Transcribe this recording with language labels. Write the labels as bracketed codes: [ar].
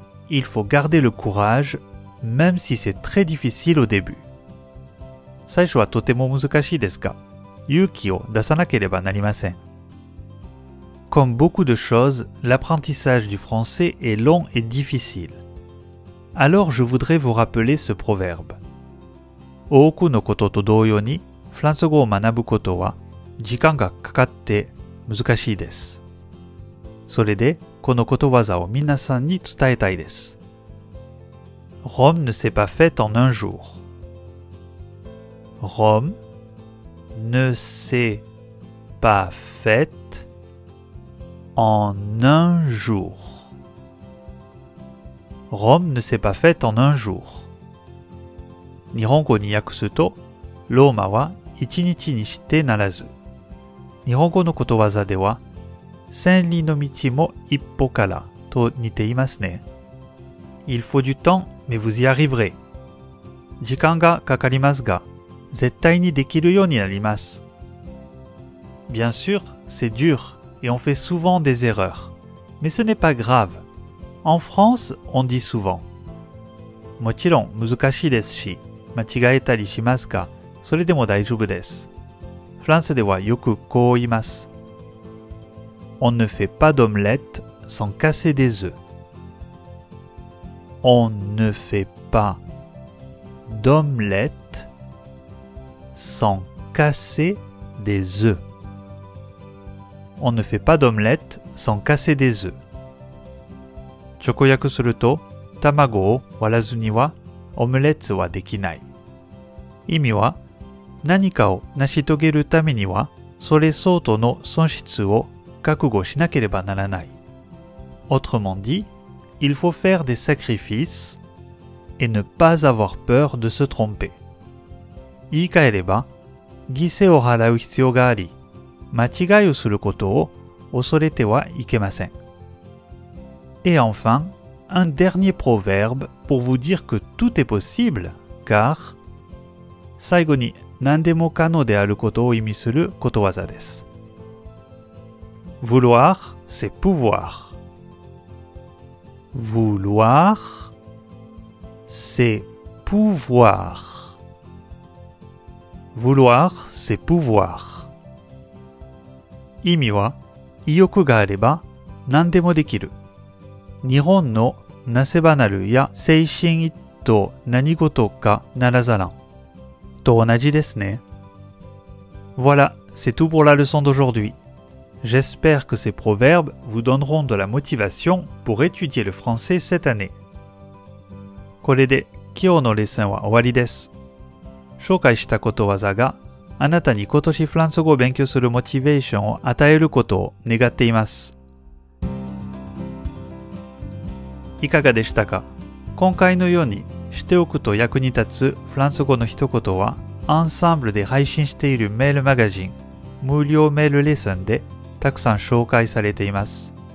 [fr] Il faut garder le courage, même si c'est très difficile au début. [ja] 最初はとても難しいですが、勇気を出さなければなりません。 [fr] Comme beaucoup de choses, l'apprentissage du français est long et difficile. Alors je voudrais vous rappeler ce proverbe. [ja] 多くのことと同様に、フランス語を学ぶことは、時間がかかって難しいです。それで、このことわざを皆さんに伝えたいです。 [fr] Rome ne s'est pas faite en un jour. RomeNe s'est pas faite en un jour. Rome ne s'est pas faite en un jour. [ja] 日本語に訳すと、ローマは一日にしてならず。日本語のことわざでは、千里の道も一歩からと似ていますね。 [fr] Il faut du temps, mais vous y arriverez. [ja] 時間がかかりますが、絶対にできるようになります。 [fr] Bien sûr, c'est dur et on fait souvent des erreurs. Mais ce n'est pas grave. En France, on dit souvent. [ja] もちろん難しいですし、間違えたりしますが、それでも大丈夫です。フランスではよくこう言います。 [fr] On ne fait pas d'omelette sans casser des œufs. On ne fait pas d'omelette. Sans casser des œufs. On ne fait pas d'omelette sans casser des œufs. [ja] 直訳すると、卵を割らずにはオムレツはできない。意味は、何かを成し遂げるためにはそれ相当の損失を覚悟しなければならない。 [fr] Autrement dit, il faut faire des sacrifices et ne pas avoir peur de se tromper. [ja] 言い換えれば、犠牲を払う必要があり、間違いをすることを恐れてはいけません。 [fr] Et enfin, un dernier proverbe pour vous dire que tout est possible, car [ja] 最後に何でも可能であることを意味することわざです。 [fr] Vouloir, c'est pouvoir. Vouloir, c'est pouvoir. Vouloir, c'est pouvoir. [ja] 意味は、意欲があれば何でもできる。日本のなせばなるや精神一途何事かならざらん。と同じですね。 [fr] Voilà, c'est tout pour la leçon d'aujourd'hui. J'espère que ces proverbes vous donneront de la motivation pour étudier le français cette année. [ja] これで今日のレッスンは終わりです。紹介したことわざがあなたに今年フランス語を勉強するモチベーションを与えることを願っています。いかがでしたか？今回のようにしておくと役に立つフランス語の一言はアンサンブルで配信しているメールマガジン無料メールレッスンでたくさん紹介されています。